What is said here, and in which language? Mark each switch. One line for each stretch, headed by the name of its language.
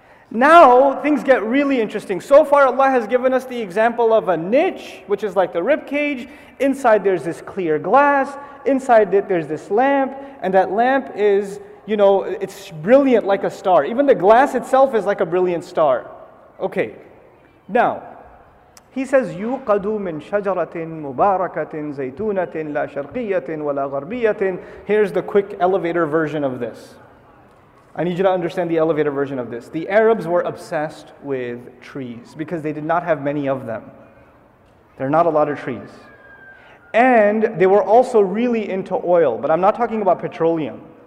English: Now, things get really interesting. So far, Allah has given us the example of a niche, which is like the rib cage. Inside there's this clear glass, inside it there's this lamp, and that lamp is, you know, it's brilliant like a star. Even the glass itself is like a brilliant star. Okay, now, He says,
Arabic: يُقَدُ مِن شَجَرَةٍ مُبَارَكَةٍ زَيْتُونَةٍ لَا شَرْقِيَّةٍ وَلَا غَرْبِيَّةٍ.
English: Here's the quick elevator version of this. I need you to understand the elevator version of this. The Arabs were obsessed with trees because they did not have many of them. There are not a lot of trees. And they were also really into oil, but I'm not talking about petroleum.